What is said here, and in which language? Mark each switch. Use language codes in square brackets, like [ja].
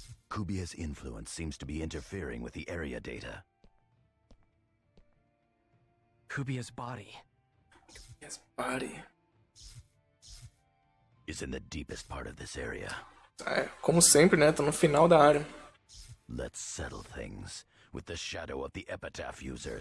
[en] Kubia's influence seems to be interfering with the area data. Kubia's body. Kubia's body. Is in the deepest part of this area. [pt] É, como sempre, né? Tô no final da área. [en] Let's settle things with the shadow of the Epitaph users.